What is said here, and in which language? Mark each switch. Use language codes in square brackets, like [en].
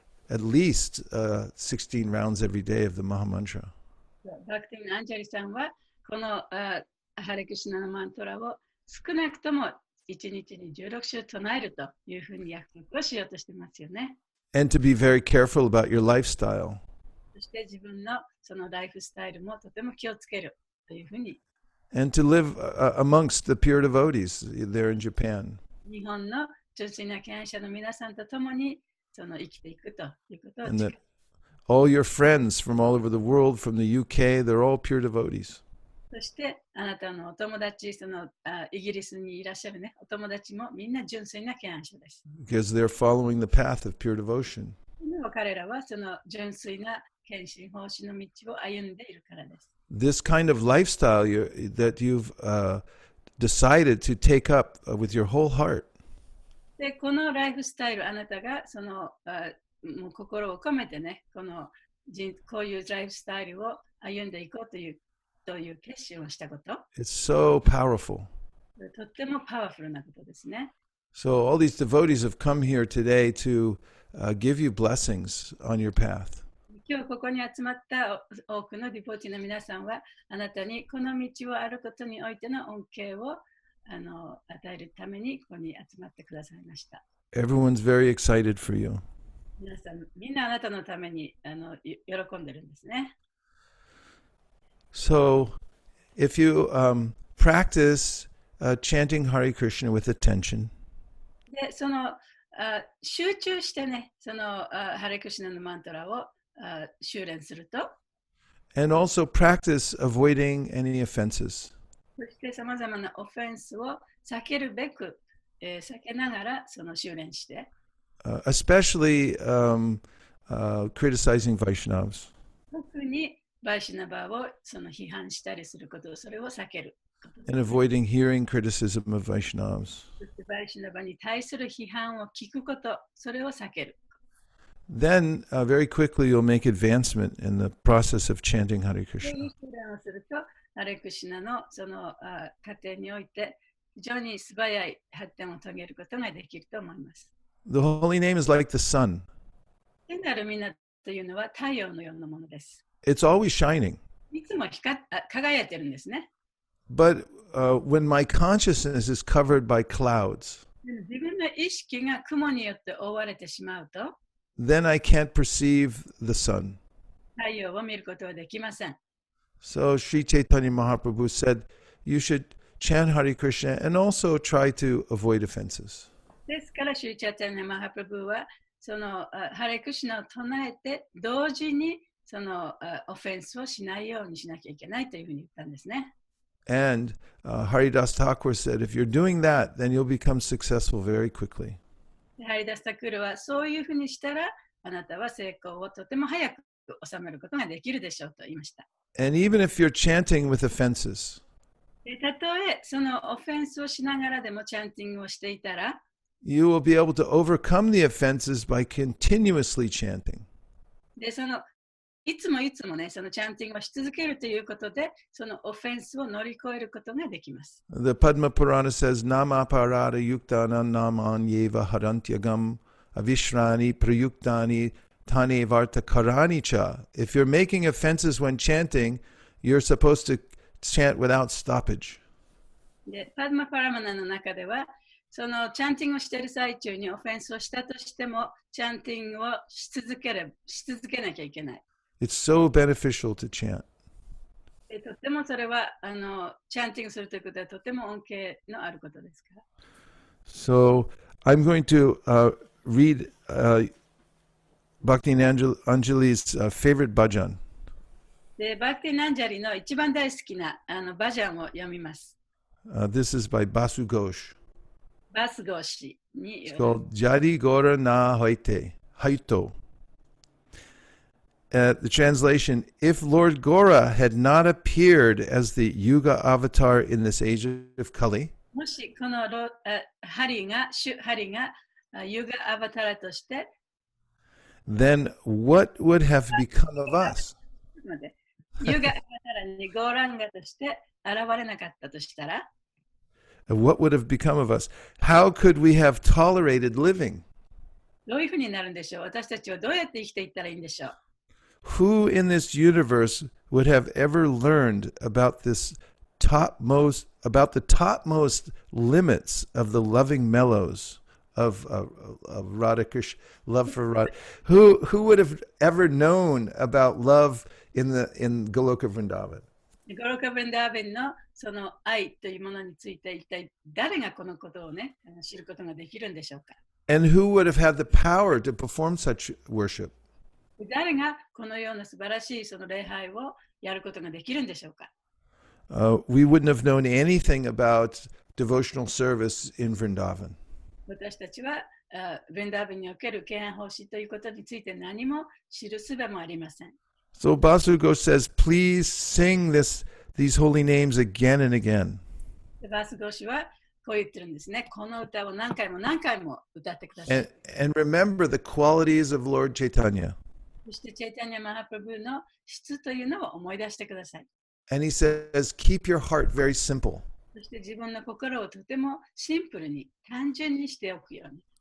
[en] at least 16 rounds every day of the Maha Mantra. [ja] Bhakti Anjali san wa kono Hare Krishna no mantra wo sukunaku tomo 1日に16週唱えるというふうに約束をしようとしてますよね。 [en] And to be very careful about your lifestyle. [ja] そして自分のそのライフスタイルもとても気をつけるというふうに。 [en] And to live amongst the pure devotees there in Japan. [ja] 日本の純粋な権威者の皆さんとともにその生きていくということを。 [en] And that all your friends from all over the world, from the UK, they're all pure devotees. [ja] そしてあなたのお友達そのイギリスにいらっしゃるねお友達もみんな純粋な権威者です。 [en] Because they're following the path of pure devotion. [ja] 彼らはその純粋な献身奉仕の道を歩んでいるからです。 [en] This kind of lifestyle that you've decided to take up with your whole heart. [ja] でこのライフスタイルあなたがそのもう心を込めてねこのこういうライフスタイルを歩んでいこうという。という決心をしたこと。 [en] It's so powerful. [ja] とってもパワフルなことですね。 [en] So all these devotees have come here today to give you blessings on your path. [ja] 今日ここに集まった多くのディボティの皆さんは、あなたにこの道を歩くことにおいての恩恵を与えるためにここに集まってくださいました。 [en] Everyone's very excited for you. [ja] 皆さん、みんなあなたのために喜んでるんですね。 [en] So, if you practice chanting Hare Krishna with attention, [ja] でその集中してねそのHare Krishnaのマントラを修練すると、 [en] and also practice avoiding any offenses. [ja] そしてさまざまなオフェンスを避けるべく、避けながらその修練して、 [en] especially criticizing Vaishnavas. [ja] 特にバイシナバをその批判したりすること、それを避ける。 [en] And avoiding hearing criticism of Vaishnavas. [ja] バイシナバに対する批判を聞くこと、それを避ける。 [en] Then, very quickly, you'll make advancement in the process of chanting Hare Krishna. [ja] で、修練をすると、ハレクシナのその過程において、非常に素早い発展を遂げることができると思います。 [en] The holy name is like the sun. [ja] 天なる御名というのは太陽のようなものです。 [en] It's always shining. [ja] いつも輝いてるんですね。 [en] But when my consciousness is covered by clouds, [ja] 自分の意識が雲によって覆われてしまうと、 [en] then I can't perceive the sun. [ja] 太陽を見ることはできません。 [en] So Sri Chaitanya Mahaprabhu said, you should chant Hare Krishna and also try to avoid offenses. [ja] ですから Sri Chaitanya Mahaprabhu はその Hare Krishna を唱えて同時にそのオフェンスをしないようにしなきゃいけないというふうに言ったんですね。 [en] And Haridas Thakur said, if you're doing that, then you'll become successful very quickly. [ja] Haridas Thakur はそういうふうにしたら、あなたは成功をとても早く収めることができるでしょうと言いました。 [en] And even if you're chanting with offenses, [ja] たとえそのオフェンスをしながらでもチャンティングをしていたら、 [en] you will be able to overcome the offenses by continuously chanting. [ja] で、そのいつもいつもね、そのチャンティングをし続けるということで、そのオフェンスを乗り越えることができます。 [en] The Padma Purana says, [sa] Nama Parada Yuktana Naman Yeva Harantyagam Avishrani Prayuktani Tane Varta Karani Cha. [en] If you're making offenses when chanting, you're supposed to chant without stoppage. [ja] で、Padma Paramana の中では、そのチャンティングをしている最中にオフェンスをしたとしても、チャンティングをし続ける、し続けなきゃいけない。 [en] It's so beneficial to chant. [ja] とてもそれはチャンティングするということはとても恩恵のあることですから。 [en] So I'm going to read Bhakti Anjali's favorite bhajan. [ja] で、Bhakti Anjali の一番大好きなバジャンを読みます。 [en] This is by Basu Ghosh. [ja] Basu Ghosh に。 [en] It's called Jari Gora Na Hoite Haito. The translation, if Lord Gora had not appeared as the Yuga avatar in this age of Kali, [ja] もしこのハリが、Yuga avatar として、 [en] then what would have become of us? [ja] Yuga avatar にゴーランガとして現れなかったとしたら、 [en] what would have become of us? How could we have tolerated living? [ja] どういうふうになるんでしょう。私たちはどうやって生きていったらいいんでしょう。 [en] Who in this universe would have ever learned about this topmost, about the topmost limits of the loving mellows of Radha Krishna, love for Radha? Who would have ever known about love in Goloka Vrindavan? [ja] Goloka Vrindavan のその愛というものについて一体誰がこのことをね知ることができるんでしょうか。 [en] And who would have had the power to perform such worship? [ja] 誰がこのような素晴らしいその礼拝をやることができるんでしょうか。 [en] We wouldn't have known anything about devotional service in Vrindavan. [ja] 私たちは、Vrindavan における敬愛奉仕ということについて何も知るすべもありません。 [en] So Basu Ghosh says, please sing this, these holy names again and again. [ja] Basu Ghosh はこう言ってるんですね。この歌を何回も何回も歌ってください。 [en] And remember the qualities of Lord Chaitanya. [ja] そしてチェイタニャ・マハプラブーの質というのを思い出してください。 [en] And he says, keep your heart very simple. [ja] そして自分の心をとてもシンプルに、単純にしておくように。